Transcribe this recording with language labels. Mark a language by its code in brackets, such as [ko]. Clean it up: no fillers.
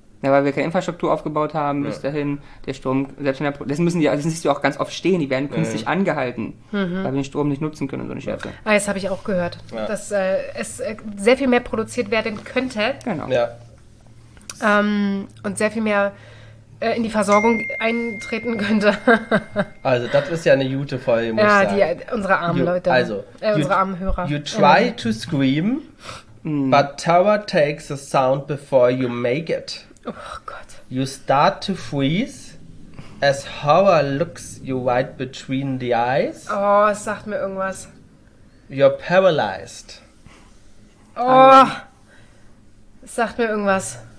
[de] Ja, weil wir keine Infrastruktur aufgebaut haben bis dahin, der Strom, selbst wenn das müssen die, das siehst du auch ganz oft stehen, die werden künstlich angehalten, weil wir den Strom nicht nutzen können, so eine Scherze. Ah, das habe ich auch gehört, dass es sehr viel mehr produziert werden könnte. Genau. Ja. Und sehr viel mehr in die Versorgung eintreten könnte. Also, das ist ja eine gute Folge, muss ja, ich sagen. Ja, die, unsere armen Leute, also, unsere armen Hörer. [en] You try to scream, but terror takes the sound before you make it. [de] Oh Gott. [en] You start to freeze as horror looks you right between the eyes. [de] Oh, es sagt mir irgendwas. [en] You're paralyzed. [de] Oh, es sagt mir irgendwas.